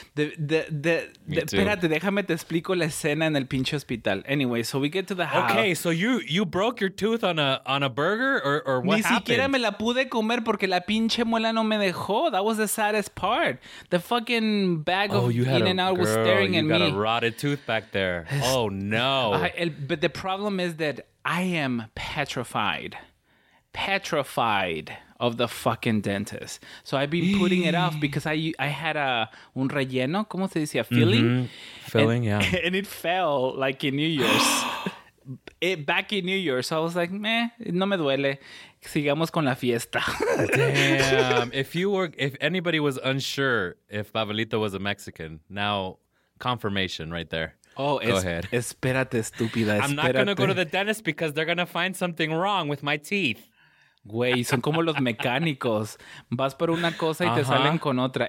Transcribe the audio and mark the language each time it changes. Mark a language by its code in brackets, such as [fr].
[es] Espérate, déjame te explico la escena en el pinche hospital. [en] Anyway, so we get to the house. Okay, so you broke your tooth on a burger or what happened? [es] Ni siquiera me la pude comer porque la pinche muela no me dejó. [en] That was the saddest part. The fucking bag of In-N-Out was staring at me. You got a rotted tooth back there. Oh, no. But the problem is that I am petrified. Petrified of the fucking dentist. So I've been putting it off because I had a [es] un relleno, ¿cómo se dice? [en] A filling. Yeah. And it fell like in New Year's. back in New Year's. So I was like, meh, [es] no me duele. Sigamos con la fiesta. [en] Damn. If anybody was unsure if Babelito was a Mexican, now confirmation right there. Oh, go ahead. [es] Espérate, estúpida. [en] I'm not going to go to the dentist because they're going to find something wrong with my teeth. [es] Güey, son como los mecánicos. Vas por una cosa y te salen con otra.